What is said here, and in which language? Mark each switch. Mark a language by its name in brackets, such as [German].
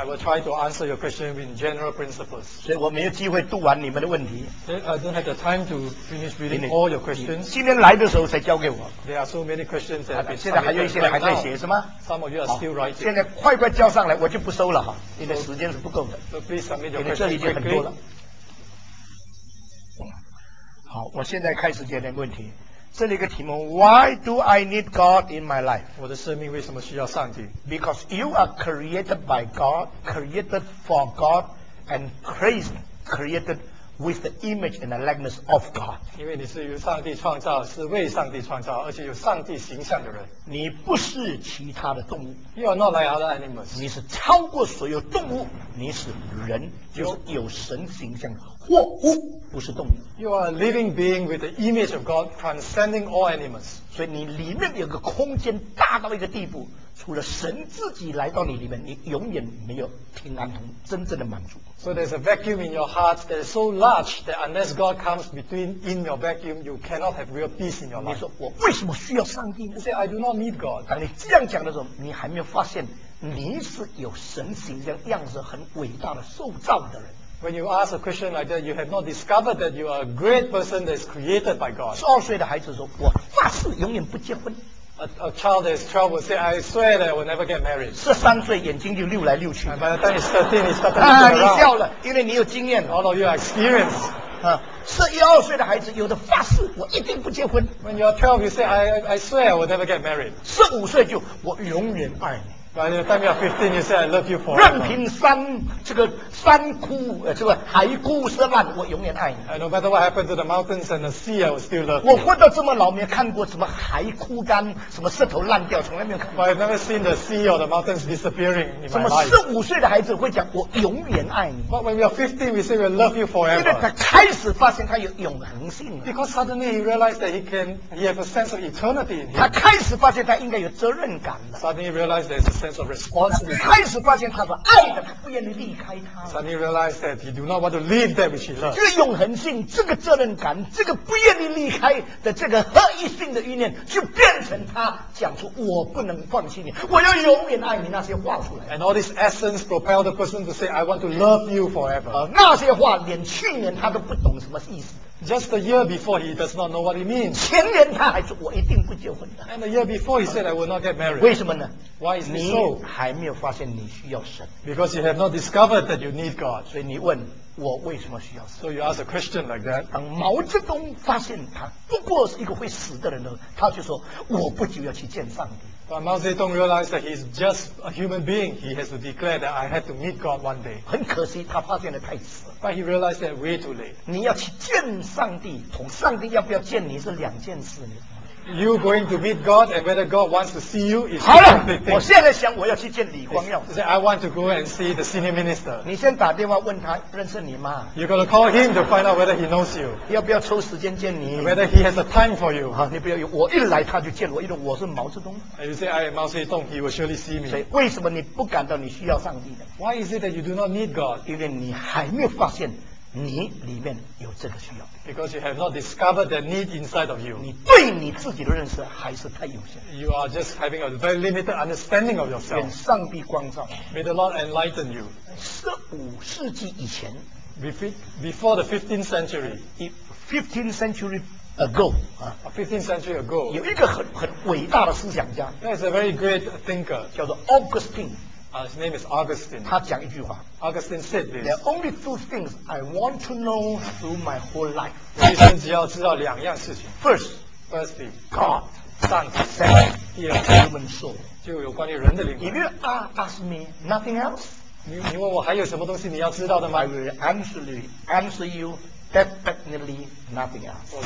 [English] I will try to answer your question in general principles. [Chinese] 所以我没有机会读完你们的问题。 [English] I don't have the time to finish reading all your questions. [Chinese] 今天来的时候才交给我。 [English] There are so many questions that have been [Chinese] 现在还有一些还在写是吗 [English] ？Some of you are still writing. [Chinese] 现在快快交上来，我就不收了哈，因为时间是不够的。 [English] So please submit your questions quickly. [Chinese] 因为这里已经很多了。好，我现在开始解答问题。这里一个题目 [English] ，Why do I need God in my life？ [Chinese] 我的生命为什么需要上帝 [English] ？Because you are created by God, created for God, and Christ created with the image and the likeness of God. [Chinese] 因为你是由上帝创造，是为上帝创造，而且有上帝形象的人。你不是其他的动物。 [English] You are not like other animals. [Chinese] 你是超过所有动物，你是人，就是有神形象的。或乎不是动物。 [English] You are a living being with the image of God, transcending all animals. [Chinese] 所以你里面有个空间大到一个地步，除了神自己来到你里面，你永远没有平安和真正的满足。 [English] So there's a vacuum in your heart that is so large that unless God comes between in your vacuum, you cannot have real peace in your life. [Chinese] 你说我为什么需要上帝呢？ [English] You say I do not need God. [Chinese] 当你这样讲的时候，你还没有发现你是有神形象样式很伟大的受造的人。 [English] When you ask a question like that, you have not discovered that you are a great person that is created by God. [Chinese] 12岁的孩子说，我发誓永远不结婚。 [English] A child that is 12 will say, I swear that I will never get married. [Chinese] 13岁眼睛就溜来溜去。 [English] By the time he's 13, he started to look around. [Chinese] 你笑了，因为你有经验。 [English] All of you are experienced. [Chinese] 12岁的孩子有的发誓，我一定不结婚。 [English] When you are 12, you say, I swear I will never get married. [Chinese] 15岁就我永远爱你。 [English] By the time you're 15, you say, I love you forever. [Chinese] 任凭山这个山枯，这个海枯石烂，我永远爱你。 [English] And no matter what happened to the mountains and the sea, I will still love you. [Chinese] 我活到这么老，没看过什么海枯干，什么石头烂掉，从来没有看过。 [English] But I've never seen the sea or the mountains disappearing in my life. [Chinese] 怎么15岁的孩子会讲我永远爱你？ [English] But when we are 15, we say we love you forever. [Chinese] 因为他开始发现他有永恒性。 [English] Because suddenly he realized that he has a sense of eternity in him. [Chinese] 他开始发现他应该有责任感了。 [English] Suddenly he realized there's a sense of responsibility. [Chinese] 开始发现他是爱的，他不愿意离开他。 [English] Suddenly realized that he do not want to leave that which he loves. [Chinese] 这个永恒性，这个责任感，这个不愿意离开的这个合一性的意念，就变成他讲出我不能放弃你，我要永远爱你那些话出来。 [English] And all this essence propelled the person to say, I want to love you forever. [Chinese] 那些话连去年他都不懂什么意思。 [English] Just a year before, he does not know what he means. [Chinese] 前年他还说我一定不结婚的。 [English] And a year before, he said, I will not get married. [Chinese] 为什么呢？ [English] Why is this so? [Chinese] 你还没有发现你需要神。 [English] Because you have not discovered that you need God. [Chinese] 所以你问我为什么需要神。 [English] So you ask a question like that. [Chinese] 当毛泽东发现他不过是一个会死的人呢，他就说我不久要去见上帝。 [English] But Mao Zedong realized that he's just a human being. He has to declare that I had to meet God one day. [Chinese] 很可惜，他发现的太迟。 [English] But he realized that way too late. [Chinese] 你要去见上帝，同上帝要不要见你是两件事呢。 [English] You going to meet God and whether God wants to see you is [Chinese] 好了，我现在想我要去见李光耀。 [English] Say I want to go and see the senior minister. [Chinese] 你先打电话问他认识你吗？ [English] You gotta call him to find out whether he knows you. [Chinese] 要不要抽时间见你？ [English] Whether he has a time for you. [Chinese] 啊，你不要，我一来他就见我，因为我是毛泽东。 [English] You say I am Mao Zedong, he will surely see me. [Chinese] 所以为什么你不感到你需要上帝呢？ [English] Why is it that you do not need God? [Chinese] 因为你还没有发现你里面有这个需要。 [English] Because you have not discovered the need inside of you. [Chinese] 你对你自己的认识还是太有限。 [English] You are just having a very limited understanding of yourself. [Chinese] 愿上帝光照。 [English] May the Lord enlighten you. [Chinese] 15世纪以前。 [English] Before the 15th century. 15th century ago. 15th century ago. [Chinese] 有一个很伟大的思想家。 [English] There's a very great thinker. [Chinese] 叫做 Augustine. [English] His name is Augustine. [Chinese] 他讲一句话。 [English] Augustine said this. There are only two things I want to know through my whole life. [Chinese] 一生只要知道两样事情。 [English] Firstly, God. [Chinese] 上帝。 [English] Second, human soul. [Chinese] 就有关于人的灵魂。 [English] If you ask me nothing else, [Chinese] 你问我还有什么东西你要知道的吗？ [English] I will answer you definitely nothing else.